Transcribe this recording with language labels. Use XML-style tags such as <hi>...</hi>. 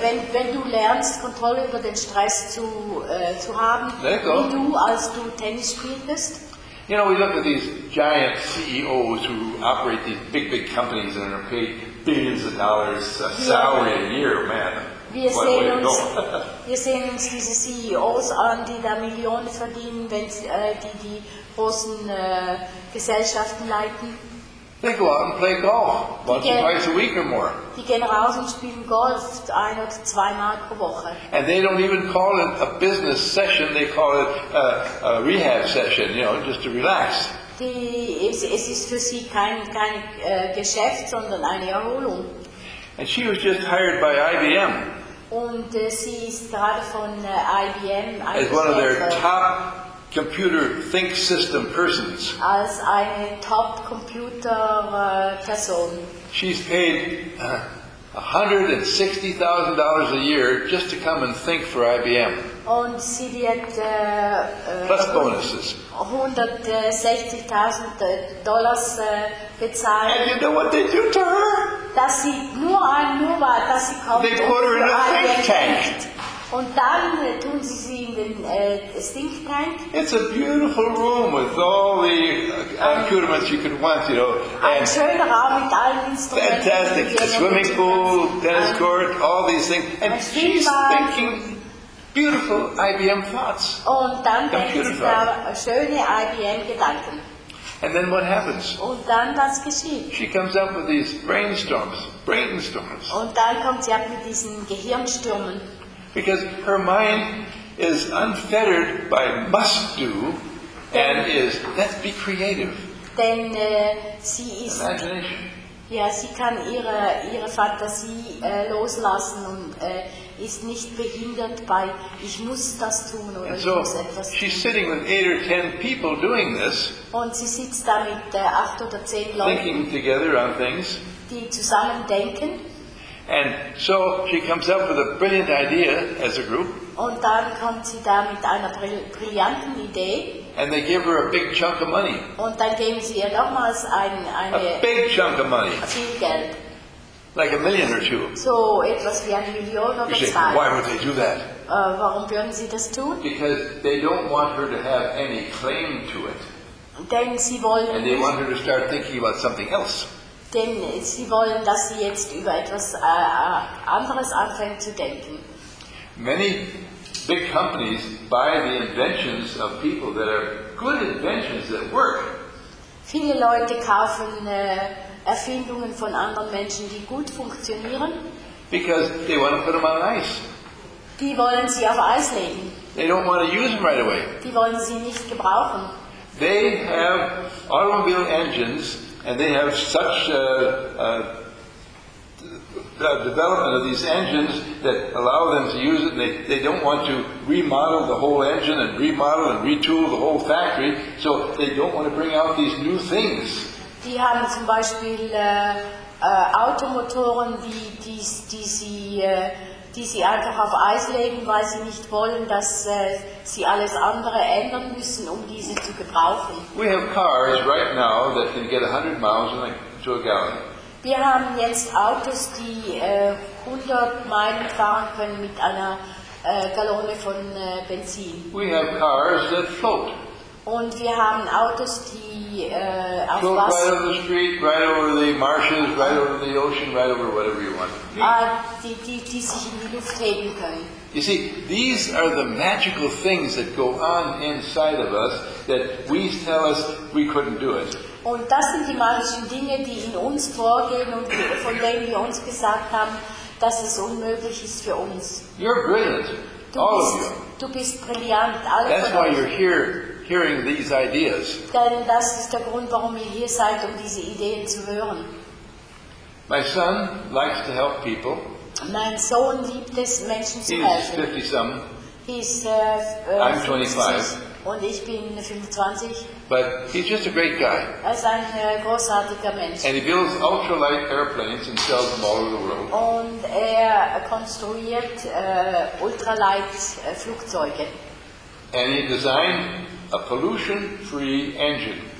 <de>wenn du lernst, Kontrolle über den Stress zu haben, wie du, als du Tennis spielst.</de> <en>You know, we look at these giant CEOs who operate these big companies and are paid billions of dollars salary a year, man.</en> <de>Wir sehen uns diese CEOs an, die da Millionen verdienen, wenn sie die großen Gesellschaften leiten.</de> <en>They go out and play golf once or twice a week or more.</en> <de>Die gehen raus und spielen Golf ein oder zweimal pro Woche.</de> <en>And they don't even call it a business session, they call it a rehab session, you know, just to relax.</en> <de>Es ist für sie kein Geschäft, sondern eine Erholung.</de> <en>And she was just hired by IBM.</en> <de>Und sie ist gerade von IBM</de> <en>as one of their top computer think system persons.</en> <de>Als eine</de> <en>top computer person. She's paid $160,000 a year just to come and think for IBM.</en> <de>Und sie wird</de> <en>plus bonuses.</en> <de>$160,000 bezahlen.</de> <en>And you know what they do to her?</en> <de>Dass sie nur war, dass sie kommt.</de> <en>They put her in a think tank.</en> <de>Und dann tun sie sie in den Think Tank.</de> <en>It's a beautiful room with all the accoutrements you could want, you know.</en> <de>Ein schöner Raum mit allen Instrumenten.</de> <en>Fantastic. A swimming pool, tennis court, all these things. And she's thinking beautiful IBM thoughts.</en> <de>Und dann denkt sie da schöne IBM-Gedanken.</de> <en>And then what happens?</en> <de>Und dann was geschieht?</de> <en>She comes up with these brainstorms.</en> <de>Und dann kommt sie ab mit diesen Gehirnstürmen.</de> <en>Because her mind is unfettered by must do, and is let's be creative.</en> <de>Denn sie ist imagination. Ja, sie kann ihre Fantasie loslassen und ist nicht behindert bei ich muss das tun oder so ich muss etwas tun.</de> <en>She's sitting with 8 or 10 people doing this.</en> <de>Und sie sitzt da mit 8 oder 10 Leuten.</de> <en>Thinking together on things.</en> <de>Die zusammen denken.</de> <en>And so she comes up with a brilliant idea as a group.</en> <de>Und dann kommt sie da mit einer brillanten Idee.</de> <en>And they give her a big chunk of money.</en> <de>Und dann geben sie ihr nochmals eine</de> <en>a big chunk of money.</en> <de>Viel Geld.</de> <en>Like a million or two.</en> <de>So etwas wie eine Million oder zwei.</de> <en>Why would they do that?</en> <de>Warum würden sie das tun?</de> <en>Because they don't want her to have any claim to it.</en> <de>Denn sie wollen.</de> <en>And they want her to start thinking about something else.</en> <de>Denn sie wollen, dass sie jetzt über etwas anderes anfängt zu denken.</de> <en>Many big companies buy the inventions of people that are good inventions that work.</en> <de>Viele Leute kaufen Erfindungen von anderen Menschen, die gut funktionieren.</de> <en>Because they want to put them on ice.</en> <de>Die wollen sie auf Eis legen.</de> <en>They don't want to use them right away.</en> <de>Die wollen sie nicht gebrauchen.</de> <en>They have automobile engines. And they have such a development of these engines that allow them to use it. And they don't want to remodel the whole engine and remodel and retool the whole factory. So they don't want to bring out these new things.</en> <de>Die haben zum Beispiel Automotoren, die sie einfach auf Eis legen, weil sie nicht wollen, dass sie alles andere ändern müssen, um diese zu gebrauchen.</de> <en>We have cars right now that can get 100 miles to a gallon.</en> <de>Wir haben jetzt Autos, die 100 Meilen fahren können mit einer Gallone von Benzin.</de> <en>We have cars that float.</en> <de>Und wir haben Autos, die</de> <en>float</en> <de>auf Wasser</de> <en>right over the street, right over the marshes, right over the ocean, right over whatever you want.</en> <de>Die sich in die Luft heben können.</de> <en>You see, these are the magical things that go on inside of us that we tell us we couldn't do it.</en> <de>Und das sind die magischen Dinge, die in uns vorgehen und von denen wir uns gesagt haben, dass es unmöglich ist für uns.</de> <en>You're brilliant, all of you.</en> <de>Du bist brillant, alle</de> <en>That's</en> <de>von</de> <en>why</en> <de>uns.</de> <en>You're here. Hearing these ideas.</en> <de>Denn das ist der Grund, warum ihr hier seid, um diese Ideen zu hören.</de> <en>My son likes to help people.</en> <de>Mein Sohn liebt es, Menschen zu helfen.</de> <en>He's 50-some. He's, I'm 25.</en> <de>Und ich bin 25.</de> <en>But he's just a great guy.</en> <de>Er ist ein großartiger Mensch.</de> <en>And he builds ultralight airplanes and sells them all over the world.</en> <de>Und er konstruiert Ultralight-Flugzeuge.</de> <en>And he designed a pollution-free engine.</en>